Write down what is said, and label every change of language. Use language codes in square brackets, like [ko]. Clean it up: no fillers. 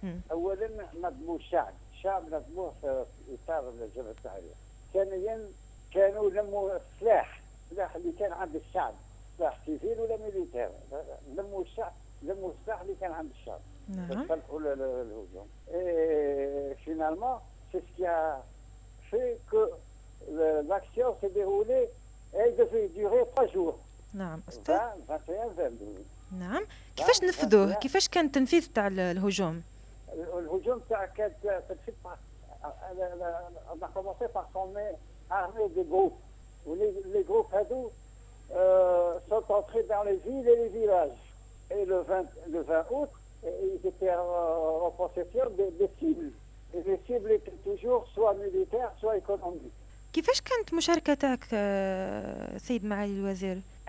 [ar] أولا نظموه الشعب، الشعب نظموه في إطار الجبهة التحرير. ثانيا كانوا لموا السلاح، السلاح اللي كان عند الشعب، سلاح سيفيل ولا ميليتير. لموا الشعب، لموا السلاح اللي كان عند الشعب. نعم. تطلعوا للهجوم. [fr] finalement c'est ce qui a fait que l'action s'est déroulée et devait durer 3 jours. [ar] نعم استاذ. 21-22. نعم. كيفاش نفذوه؟ كيفاش كان التنفيذ تاع الهجوم؟ الهجوم تاع كان تنفيذ انا [fr] commencé par former armée des groupes. Les groupes [ar] هادو [fr] sont entrés dans les villes et les villages. Et le 20 août ils étaient en possession des cibles. Et les cibles étaient toujours soit militaires, soit économiques. [ar] كيفاش كانت مشاركتك سيد معالي الوزير؟